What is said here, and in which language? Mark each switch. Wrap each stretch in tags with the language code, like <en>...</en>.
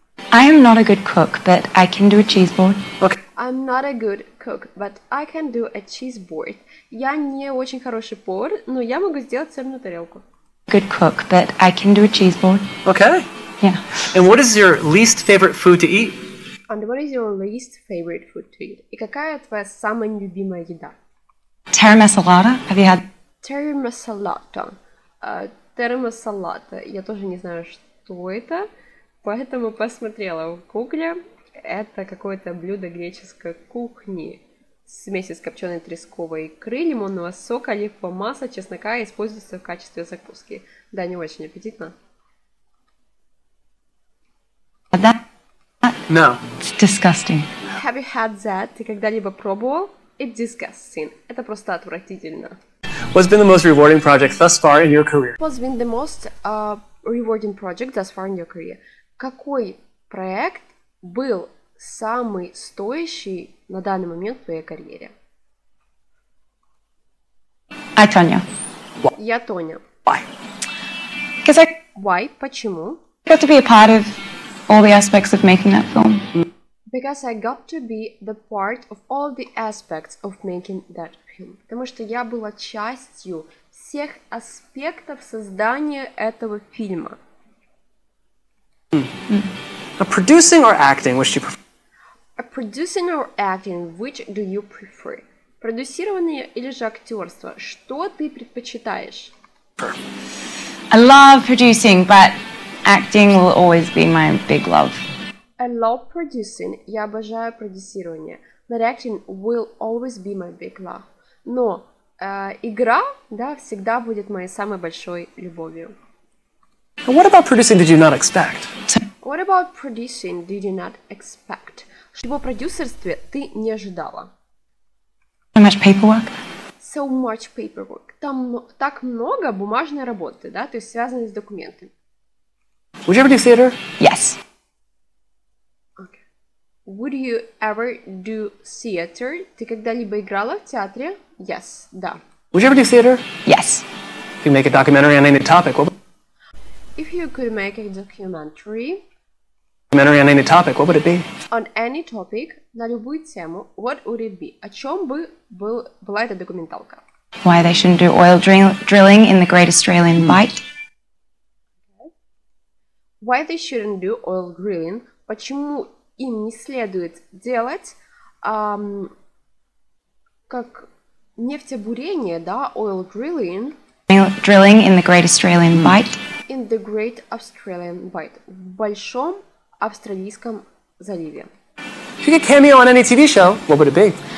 <en>I am not a good cook, but I can do a cheese board. Okay. I'm not a good cook, but I can do a cheese board.</en> <ru>Я не очень хороший повар, но я могу сделать сырную тарелку.</ru> <en>Good cook, but I can do a cheese board. Okay. Yeah. And what is your least favorite food to eat? And what is your least favorite food to eat?</en> <ru>И какая твоя самая нелюбимая еда?</ru> <en>Терри масалата. Have you had?</en> <ru>Терри масалата. Терри масалата. Я тоже не знаю, что это, поэтому посмотрела в гугле. Это какое-то блюдо греческой кухни. Смесь из копченой тресковой икры, лимонного сока, оливкового масла, чеснока используется в качестве закуски. Да, не очень аппетитно.</ru> <en>No. It's disgusting. Have you had that?</en> <ru>Ты когда-либо пробовал?</ru> <en>It's disgusting.</en> <ru>Это просто отвратительно.</ru> <en>What's been the most rewarding project thus far in your career? What's been the most rewarding project thus far in your career?</en> <ru>Какой проект был самый стоящий на данный момент в твоей карьере?</ru> <en>I, Tonya. Why?</en> <ru>Я Тоня.</ru> <en>Why? Because I... Why?</en> <ru>Почему?</ru> <en>I got to be a part of all the aspects of making that film. Because I got to be the part of all the aspects of making that film.</en> <ru>Потому что я была частью всех аспектов создания этого фильма.</ru> <en>Mm. Mm. Producing or acting, which do you prefer? A producing or acting, which do you prefer?</en> <ru>Продюсирование или же актерство? Что ты предпочитаешь?</ru> <en>I love producing, but acting will always be my big love. I love producing.</en> <ru>Я обожаю продюсирование.</ru> <en>But acting will always be my big love.</en> <ru>Но игра, да, всегда будет моей самой большой любовью.</ru> <en>What about producing did you not expect? What about producing did you not expect?</en> <ru>Чего продюсерстве ты не ожидала?</ru> <en>So much paperwork. So much paperwork.</en> <ru>Там так много бумажной работы, да, то есть связанной с документами.</ru> <en>Would you ever do theater? Yes. Okay. Would you ever do theater?</en> <ru>Ты когда-либо играла в театре?</ru> <en>Yes,</en> <ru>да.</ru> <en>Would you ever do theater? Yes. If you make a documentary on any topic, what? If you could make a documentary. Documentary on any topic, what would it be? On any topic,</en> <ru>на любую тему,</ru> <en>what would it be?</en> <ru>О чем бы была эта документалка?</ru> <en>Why they shouldn't do oil drilling in the Great Australian Bight? Why they shouldn't do oil drilling?</en> <ru>Почему им не следует делать как нефтебурение, да,</ru> <en>oil drilling? Drilling in the Great Australian Bight. In the Great Australian Bight.</en> <ru>В большом австралийском заливе.</ru> <en>If you could cameo on any TV show, what would it be?</en>